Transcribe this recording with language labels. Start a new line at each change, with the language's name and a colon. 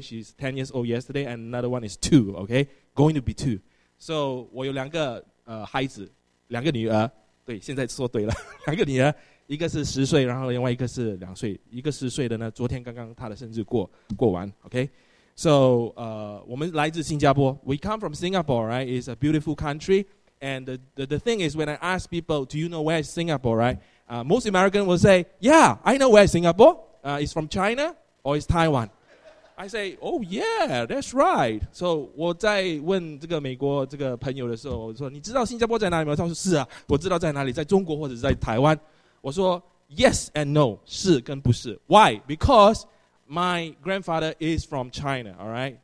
English: She's 10 years old yesterday, and another one is 2, okay? Going to be 2.
Chinese: So, 我有两个孩子，两个女儿，对，现在说对了，两个女儿，一个是十岁，然后另外一个是两岁，一个十岁的呢，昨天刚刚她的生日过完 okay?
English: So,
Chinese: 我们来自新加坡。
English: We come from Singapore, right? It's a beautiful country. And the thing is, when I ask people, do you know where is Singapore, right? Most Americans will say, yeah, I know where is Singapore. It's from China or it's Taiwan? I say, oh yeah, that's right.
Chinese: So, 我在问这个美国这个朋友的时候，我说，你知道新加坡在哪里吗？他说，是啊，我知道在哪里，在中国或者在台湾。我说，
English: yes and no,
Chinese: 是跟不是。
English: Why? Because my grandfather is from China, all right?